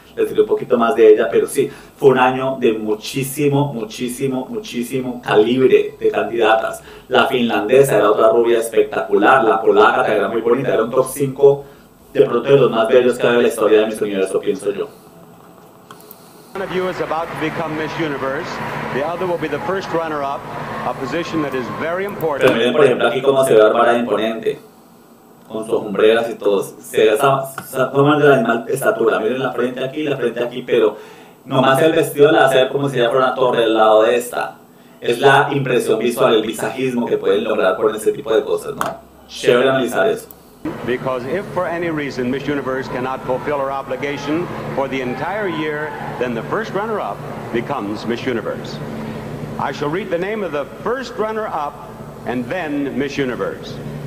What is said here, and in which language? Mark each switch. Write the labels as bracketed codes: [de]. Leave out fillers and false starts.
[es] Les diré un poquito más de ella, pero sí, fue un año de muchísimo, muchísimo, muchísimo calibre de candidatas. La finlandesa era otra rubia espectacular, la polaca, que era muy bonita, era un top 5 de pronto de los más bellos que había en la historia de Miss Universo, pienso yo. [en] One of you is about to become Miss Universe. The other will be the first runner-up, a position that is very important. [es] Pero miren, por ejemplo, aquí cómo se ve Bárbara imponente, con sus hombreras y todo. Se ve esa forma de la misma estatura. Miren la frente aquí, pero nomás el vestido la hace ver como si ella fuera una torre al lado de esta. Es la impresión visual, el visajismo que pueden lograr con ese tipo de cosas, ¿no? Chévere analizar eso. [en] Because if for any reason Miss Universe cannot fulfill her obligation for the entire year, then the first runner-up becomes Miss Universe. I shall read the name of the first runner-up and then Miss Universe.